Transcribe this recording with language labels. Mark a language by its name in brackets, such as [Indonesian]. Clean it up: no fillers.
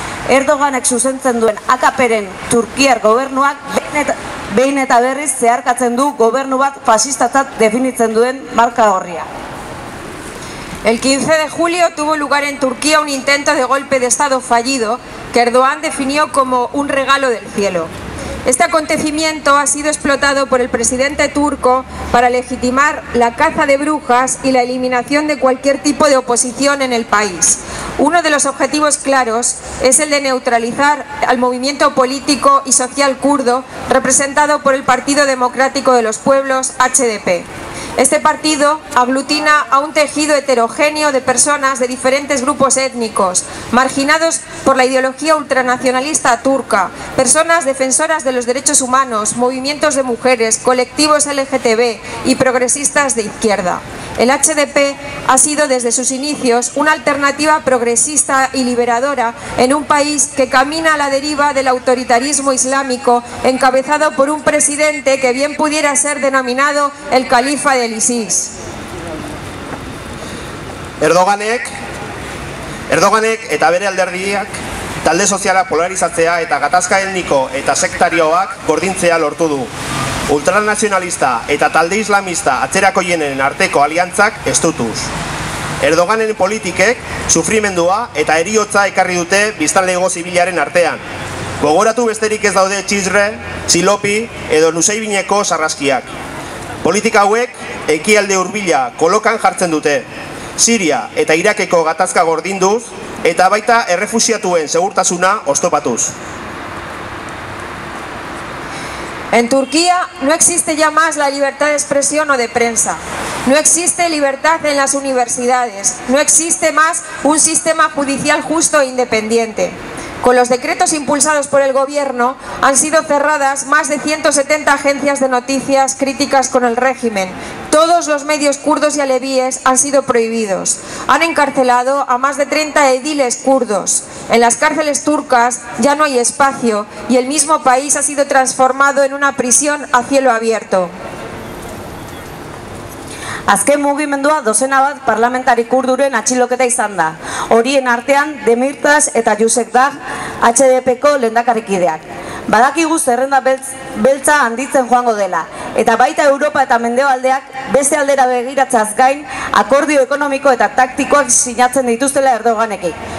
[Basque] Erdoganek zuzentzen duen AKP-ren Turkiar gobernuak behin eta berriz zeharkatzen du gobernu bat fasistatzat definitzen duen marka horria. [Spanish] El 15 de julio tuvo lugar en Turquía un intento de golpe de Estado fallido que Erdogan definió como un regalo del cielo. Este acontecimiento ha sido explotado por el presidente turco para legitimar la caza de brujas y la eliminación de cualquier tipo de oposición en el país. Uno de los objetivos claros es el de neutralizar al movimiento político y social kurdo representado por el Partido Democrático de los Pueblos, HDP. Este partido aglutina a un tejido heterogéneo de personas de diferentes grupos étnicos, marginados por la ideología ultranacionalista turca, personas defensoras de los derechos humanos, movimientos de mujeres, colectivos LGTB y progresistas de izquierda. El HDP ha sido desde sus inicios una alternativa progresista y liberadora en un país que camina a la deriva del autoritarismo islámico encabezado por un presidente que bien pudiera ser denominado el califa del ISIS. [Basque] Erdoganek eta bere alderdiak talde soziala polarizatzea eta gatazka etniko eta sektarioak gordintzea lortu du. Ultranacionalista eta talde islamista atzerakoienen arteko aliantzak estutuz. Erdoganen politikek sufrimendua eta heriotza ekarri dute biztanlego zibilaren artean. Gogoratu besterik ez daude Txizre, Silopi edo Nuseibineko sarraskiak. Politika hauek ekialde hurbila kolokan jartzen dute. Siria eta Irakeko gatazka gordinduz eta baita errefuxiatuen segurtasuna oztopatuz. [Spanish] En Turquía no existe ya más la libertad de expresión o de prensa. No existe libertad en las universidades. No existe más un sistema judicial justo e independiente. Con los decretos impulsados por el gobierno han sido cerradas más de 170 agencias de noticias críticas con el régimen. Todos los medios kurdos y alevíes han sido prohibidos. Han encarcelado a más de 30 ediles kurdos. En las cárceles turcas ya no hay espacio y el mismo país ha sido transformado en una prisión a cielo abierto. [Basque] Azken mugimendua dozena bat parlamentari kurduren atxiloketa izan da. Horien artean Demirtas eta Yusek Dag HDP-ko lehendakarikideak. Badakigu zerrenda beltza handitzen joango dela. Eta baita Europa eta Mendebaldeak beste aldera begiratzaz gain akordio ekonomiko eta taktikoak sinatzen dituztela Erdoganekin.